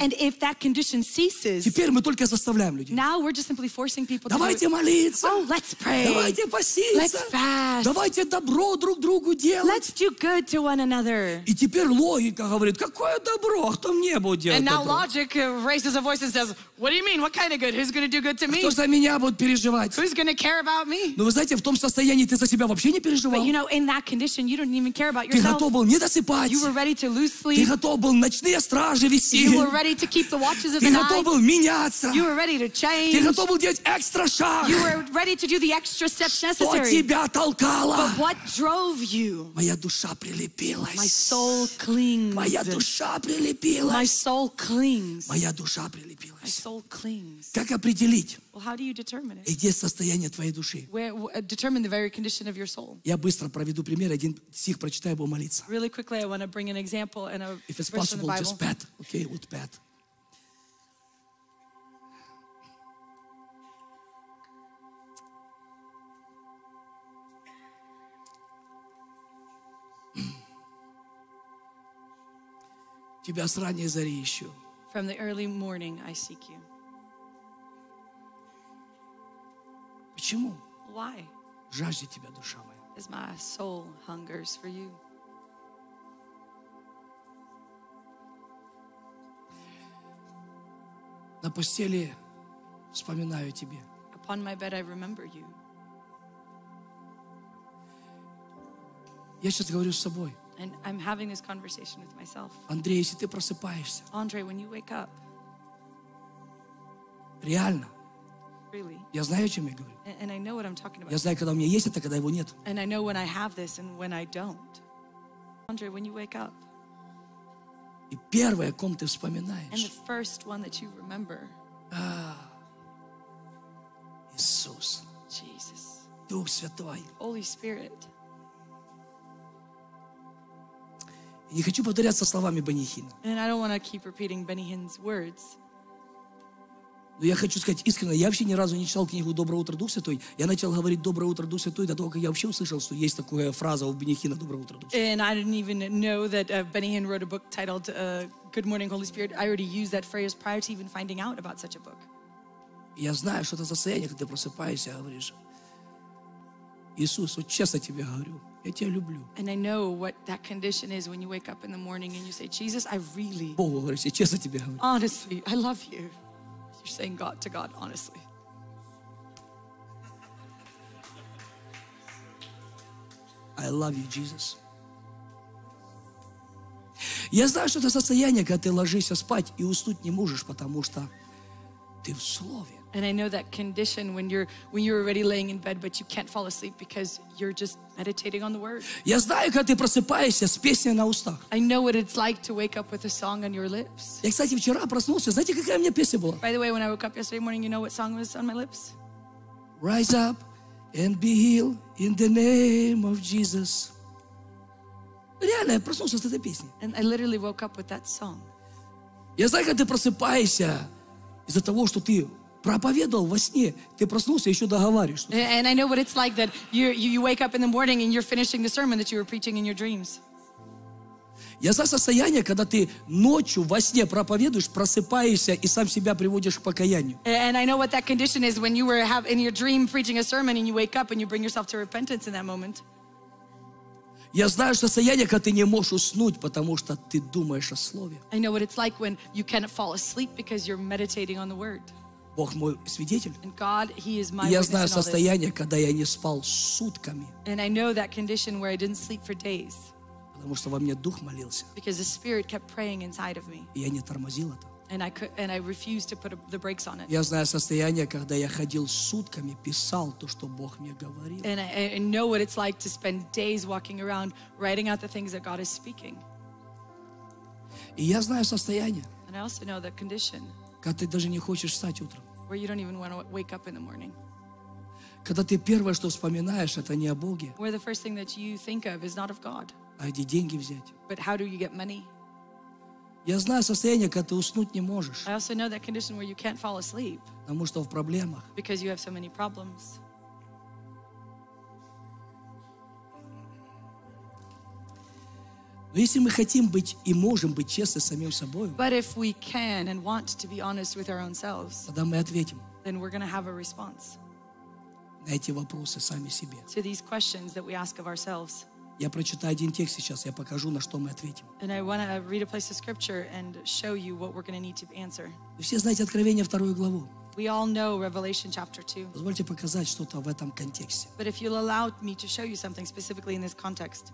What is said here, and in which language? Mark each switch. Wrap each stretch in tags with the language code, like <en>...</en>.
<en>and if that condition ceases,</en> <ru>теперь мы только заставляем людей.</ru> <en>Now we're just simply forcing people.</en> <ru>Давайте молиться.</ru> <en>Oh, let's pray.</en> <ru>Давайте поститься.</ru> <en>Let's fast.</en> <ru>Давайте добро друг другу делать.</ru> <en>Let's do good to one another.</en> <ru>И теперь логика говорит, какое добро, кто мне будет делать</ru> <en>and</en> <ru>добро?</ru> <en>And now logic raises a voice. And says, what do you mean? What kind of good? Who's going to do good to me?</en> <ru>Кто за меня будет переживать?</ru> <en>Who's going to care about me?</en> <ru>Ну, вы знаете, в том состоянии ты за себя вообще не переживал.</ru> <en>But you know, in that condition, you don't even care about yourself.</en> <ru>Ты готов был не досыпать.</ru> <en>You were ready to lose sleep.</en> <ru>Ты готов был ночные стражи вести.</ru> <en>You were ready to keep the watches of the night.</en> <ru>Ты готов был меняться.</ru> <en>You were ready to change.</en> <ru>Ты готов был делать экстра шаг.</ru> <en>You were ready to do the extra steps necessary.</en> <ru>Что тебя толкало?</ru> <en>But what drove you?</en> <ru>Моя душа прилепилась.</ru> <en>My soul clings.</en> <ru>Моя душа прилепилась.</ru> <en>My soul clings.</en> <ru>Моя душа прилепилась.</ru> <en>My soul clings.</en> <ru>Как определить?</ru> <en>Well, how do you determine it?</en> <ru>Где состояние твоей души?</ru> <en>Where, determine the very condition of your soul.</en> <ru>Я быстро проведу пример, один стих прочитаю, буду молиться.</ru> <en>Really quickly, I want to bring an example and a verse from the Bible. If it's possible, just pat. Okay, with pat.</en> <ru>Тебя с ранней зари ищу.</ru> <en>From the early morning, I seek you.</en> <ru>Почему?</ru> <en>Why?</en> <ru>Жаждет тебя душа моя.</ru> <en>As my soul hungers for you.</en> <ru>На постели вспоминаю тебе.</ru> <en>Upon my bed, I remember you.</en> <ru>Я сейчас говорю с собой.</ru> <en>And I'm having this conversation with myself.</en> <ru>Андрей, если ты просыпаешься.</ru> <en>Andrey, when you wake up.</en> <ru>Реально.</ru> <en>Really.</en> <ru>Я знаю, о чем я говорю.</ru> <en>And I know what I'm talking about.</en> <ru>Я знаю, когда у меня есть это, когда его нет.</ru> <en>And I know when I have this and when I don't. Andrey, when you wake up.</en> <ru>И первое, о ком ты вспоминаешь.</ru> <en>And the first one that you remember.</en> <ru>Иисус.</ru> <en>Jesus.</en> <ru>Дух Святой.</ru> <en>Holy Spirit.</en> <ru>Не хочу повторяться словами Бенихина.</ru> <en>And I don't want to keep repeating Benihin's words.</en> <ru>Но я хочу сказать искренне, я вообще ни разу не читал книгу «Доброе утро, Дух Святой». Я начал говорить «Доброе утро, Дух Святой» до того, как я вообще услышал, что есть такая фраза у Бенихина «Доброе утро, Дух Святой».</ru> <en>And I didn't even know that Benihin wrote a book titled «Good Morning, Holy Spirit». I already used that phrase prior to even finding out about such a book.</en> <ru>Я знаю, что это состояние, когда ты просыпаешься и говоришь, Иисус, вот честно тебе говорю, я тебя люблю.</ru> <en>And I know what that condition is when you wake up in the morning and you say, Jesus, I really...</en> <ru>Богу говоришь, я честно тебе говорю.</ru> <en>Honestly, I love you. You're saying God to God, honestly. I love you, Jesus.</en> <ru>Я знаю, что это состояние, когда ты ложишься спать и уснуть не можешь, потому что ты в Слове.</ru> <en>And I know that condition when you're already laying in bed, but you can't fall asleep because you're just meditating on the word.</en> <ru>Я знаю, когда ты просыпаешься с песней на устах.</ru> <en>I know what it's like to wake up with a song on your lips.</en> <ru>Я, кстати, вчера проснулся. Знаете, какая у меня песня была?</ru> <en>By the way, when I woke up yesterday morning, you know what song was on my lips? Rise up and be healed in the name of Jesus.</en> <ru>Реально, я проснулся с этой песней.</ru> <en>And I literally woke up with that song.</en> <ru>Я знаю, когда ты просыпаешься из-за того, что ты проповедовал во сне, ты проснулся, еще договариваешь.</ru> <en>And I know what it's like that you wake up in the morning and you're finishing the sermon that you were preaching in your dreams.</en> <ru>Я знаю состояние, когда ты ночью во сне проповедуешь, просыпаешься и сам себя приводишь к покаянию.</ru> <en>And I know what that condition is when you were in your dream preaching a sermon and you wake up and you bring yourself to repentance in that moment.</en> <ru>Я знаю состояние, когда ты не можешь уснуть, потому что ты думаешь о слове.</ru> <en>I know what it's like when you cannot fall asleep because you're meditating on the word.</en> <ru>Бог мой свидетель.</ru> <en>And God, He is my.</en> <ru>И я знаю состояние, когда я не спал сутками.</ru> <en>And I know that condition where I didn't sleep for days.</en> <ru>Потому что во мне дух молился.</ru> <en>Because the Spirit kept praying inside of me.</en> <ru>И я не тормозил это.</ru> <en>And I refused to put the brakes on it.</en> <ru>Я знаю состояние, когда я ходил сутками, писал то, что Бог мне говорил.</ru> <en>And I know what it's like to spend days walking around writing out the things that God is speaking.</en> <ru>И я знаю состояние.</ru> <en>And I also know the condition.</en> <ru>Когда ты даже не хочешь встать утром.</ru> <en>Where you don't even want to wake up in the morning.</en> <ru>Когда ты первое, что вспоминаешь, это не о Боге.</ru> <en>Where the first thing that you think of is not of God.</en> <ru>А где деньги взять?</ru> <en>But how do you get money?</en> <ru>Я знаю состояние, когда ты уснуть не можешь.</ru> <en>I also know that condition where you can't fall asleep.</en> <ru>Потому что в проблемах.</ru> <en>Because you have so many problems.</en> <ru>Но если мы хотим быть и можем быть честны с самим собой,</ru> <en>but if we can and want to be honest with our own selves,</en> <ru>тогда мы ответим.</ru> <en>Then we're going to have a response.</en> <ru>На эти вопросы сами себе.</ru> <en>To these questions that we ask of ourselves.</en> <ru>Я прочитаю один текст сейчас, я покажу, на что мы ответим.</ru> <en>And I want to read a place of scripture and show you what we're going to need to answer.</en> <ru>Вы все знаете Откровение вторую главу.</ru> <en>We all know Revelation chapter 2.</en> <ru>Позвольте показать что-то в этом контексте.</ru> <en>But if you'll allow me to show you something specifically in this context.</en>